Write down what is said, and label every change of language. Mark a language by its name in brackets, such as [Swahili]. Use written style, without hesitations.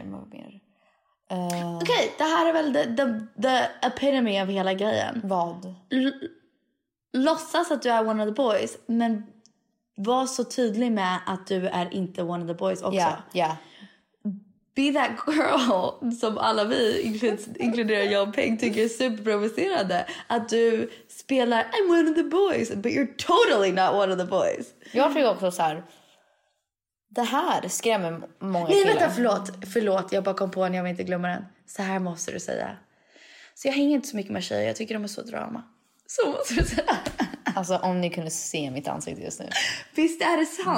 [Swedish] Okej, det här är väl the epitome av hela grejen. Vad? Låtsas att du är one of the boys. Men var så tydlig med att du är inte one of the boys också. Ja, [English] yeah, [Swedish] ja. Yeah. Be that girl som alla vi, inkluderar jag och Peng, tycker är superprovocerande. Att du spelar, [English] I'm one of the boys, but you're totally not one of the boys. [Swedish] Jag tycker också så här, det här skrämmer många killar. Nej, vänta, förlåt, jag bara kom på en, jag vill inte glömma den. Så här måste du säga. Så jag hänger inte så mycket med tjejer, jag tycker de är så drama. Så måste du säga. Alltså, om ni kunde se mitt ansikte just nu. Visst är det sant?